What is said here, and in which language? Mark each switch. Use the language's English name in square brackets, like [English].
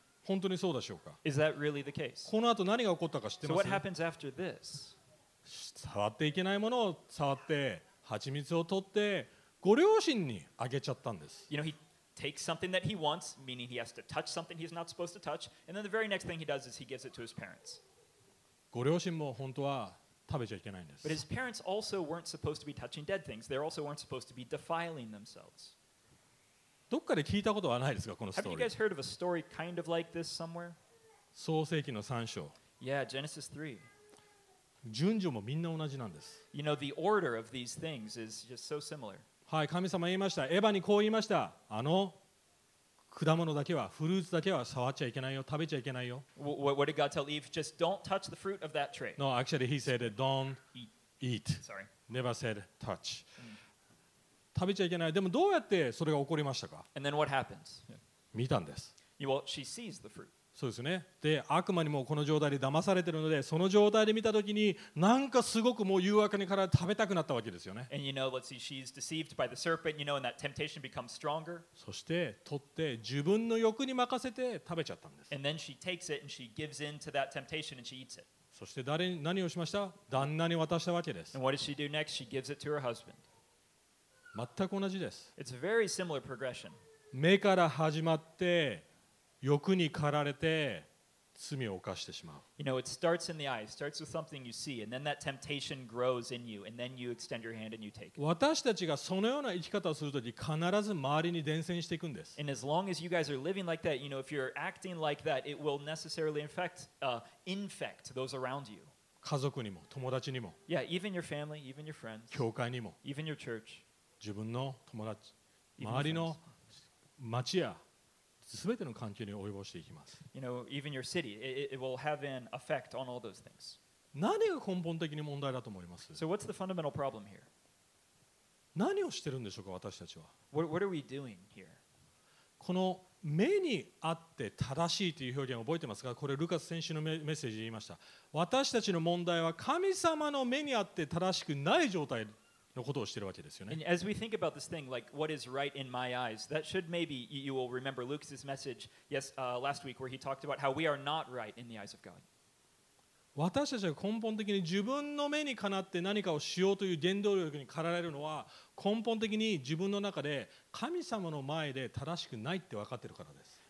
[Japanese] 本当にそうでしょうか？ [English] Is that really the case? [Japanese] この後何が起こったか知ってます？ [English] So what happens after this? [Japanese] 触っていけないものを触って、蜂蜜を取って、ご両親にあげちゃったんです。 [English] You know, he takes something that he wants, meaning he has to touch something he's not supposed to touch, and then the very next thing he does is he gives it to his parents. [Japanese] ご両親も本当は食べちゃいけないんです。 [English] But his parents also weren't supposed to be touching dead things. They also weren't supposed to be defiling themselves. [Japanese] どっかで聞いたことはないですか、このストーリー。 [English] Have you guys heard of a story kind of like this somewhere? [Japanese] 創世記の3章。 [English] Yeah, Genesis 3. [Japanese] 順序もみんな同じなんです。 [English] You know, the order of these things is just so similar. [Japanese] はい、神様言いました。エヴァにこう言いました。あの果物だけは、フルーツだけは触っちゃいけないよ、食べちゃいけないよ。 [English] What did God tell Eve? Just don't touch the fruit of that tree. No, actually, he said, don't eat. Sorry. Never said touch. [Japanese] 食べちゃいけない。でもどうやってそれが起こりましたか? [English] And then what happens? [Japanese] 見たんです。 [English] Well, she sees the fruit. [Japanese] そうですね。で、悪魔にもこの状態で騙されてるので、その状態で見たときに、なんかすごくもう誘惑にから食べたくなったわけですよね。 [English] And you know, let's see, she's deceived by the serpent, you know, and that temptation becomes stronger. [Japanese] そして、取って自分の欲に任せて食べちゃったんです。 [English] And then she takes it and she gives in to that temptation and she eats it. [Japanese] そして誰に何をしました?旦那に渡したわけです。 [English] And what does she do next? She gives it to her husband. [Japanese] 全く同じです。 [English] It's a very similar progression. [Japanese] 目から始まって、欲に駆られて罪を犯してしまう。 [English] You know, it starts in the eye. It starts with something you see, and then that temptation grows in you, and then you extend your hand and you take it. [Japanese] 私たちがそのような生き方をするとき、必ず周りに伝染していくんです。 [English] And as long as you guys are living like that, you know, if you're acting like that, it will necessarily infect those around you. [Japanese] 家族にも、友達にも。 [English] Yeah, even your family, even your friends. [Japanese] 教会にも。 [English] Even your church. [Japanese] 自分の友達、周りの町や。全ての環境に及ぼしていきます。 [English] You know, even your city, it will have an effect on all those things. [Japanese] 何が根本的に問題だと思います? [English] So what's the fundamental problem here? [Japanese] 何をしてるんでしょうか、私たちは。 [English] What are we doing here? [Japanese] この目にあって正しいという表現を覚えてますか？これルカス先週のメッセージで言いました。私たちの問題は神様の目にあって正しくない状態のことをしているわけですよね。 [English] And as we think about this thing, like what is right in my eyes, that should maybe you will remember Luke's message last week where he talked about how we are not right in the eyes of God. [Japanese] 私たちが根本的に自分の目にかなって何かをしようという原動力に駆られるのは根本的に自分の中で神様の前で正しくないって分かっているからです。